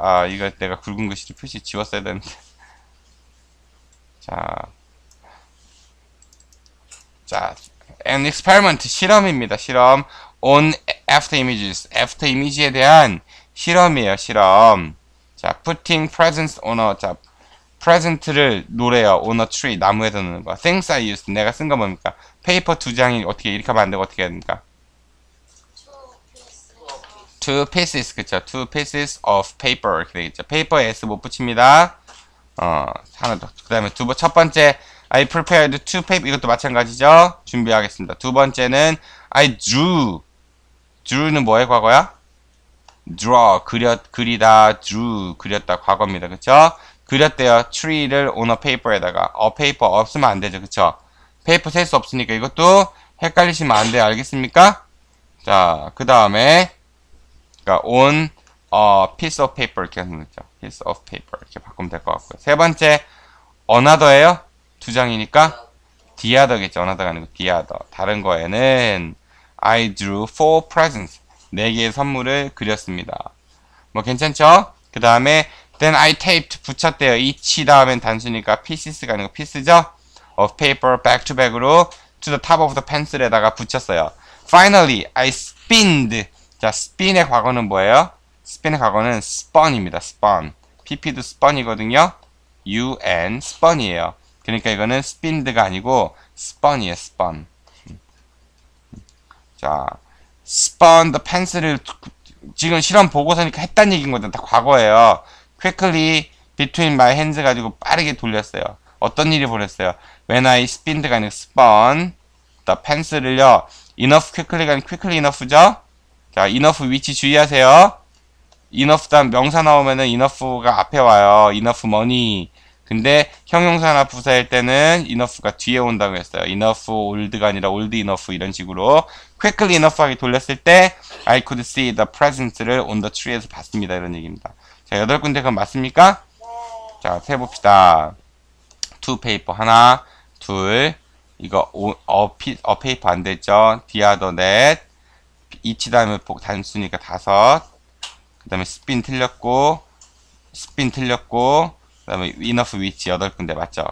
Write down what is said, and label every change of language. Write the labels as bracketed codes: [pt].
[ko] 이거 내가 굵은 글씨로 표시 지웠어야 되는데. 자, an experiment 실험입니다. [en] 실험. On after images. [ko] After 이미지에 대한 실험이에요. 실험. 자, putting presents on a, 자, present를 놓으래요. on a tree, 나무에다 놓는 거. things I used, 내가 쓴거 뭡니까? 페이퍼 두 장이 어떻게, 이렇게 하면 안 되고 어떻게 해야 됩니까? [en] two pieces, 그쵸. two pieces of paper, [ko] 이렇게 되겠죠. 페이퍼에 s 못 붙입니다. 하나 더. 그 다음에 첫 번째, I prepared two paper, 이것도 마찬가지죠? 준비하겠습니다. 두 번째는, I drew. drew는 뭐의 과거야? draw, 그리다, drew, 그렸다, 과거입니다. 그쵸? 그렸대요. [en] tree를 on a paper에다가. [ko] a paper 없으면 안 되죠. 그쵸? paper 셀수 없으니까 이것도 헷갈리시면 안 돼요. 알겠습니까? 자, 그 다음에, 그러니까 on a piece of paper 이렇게 하는 거죠. piece of paper 이렇게 바꾸면 될것 같고요. 세 번째, another예요. 두 장이니까 the other겠죠. another가 아니고 the other. 다른 거에는 I drew four presents. 네 개의 선물을 그렸습니다. 뭐 괜찮죠? 그 다음에 then I taped 붙였대요. each 다음엔 단수니까 pieces가 아니고 piece죠? [en] of paper back to back으로 to the top of the pencil에다가 [ko] 붙였어요. [en] finally I spinned. [ko] 자, spin의 과거는 뭐예요? spin의 과거는 spun입니다. spun. pp도 spun이거든요. un spun이에요. 그러니까 이거는 spinned가 아니고 spun이에요. [en] spun. [ko] 자, spun the pencil을 지금 실험 보고서니까 했단 얘기인 거죠. 다 과거예요. [en] quickly between my hands [ko] 가지고 빠르게 돌렸어요. 어떤 일이 벌어졌어요? [en] when I spinned가 아니고 spun the pencil을요. enough quickly가 아니고 quickly enough죠? [ko] 자, enough 위치 주의하세요. enough 다음 명사 나오면은 enough가 앞에 와요. [en] enough money. [ko] 근데 형용사나 부사일 때는 enough가 뒤에 온다고 했어요. [en] enough old가 아니라 old enough [ko] 이런 식으로 [en] quickly enough 하게 돌렸을 때 I could see the presents를 on the tree에서 봤습니다. [ko] 이런 얘기입니다. 자, 여덟 군데 그건 맞습니까? 자, 세봅시다. two paper 하나, 둘, 이거 a paper 안 됐죠? [en] the other net. [ko] 이치 다음에 단수니까 다섯. 그 다음에 spin 틀렸고, 그 다음에 enough which 여덟 군데 맞죠?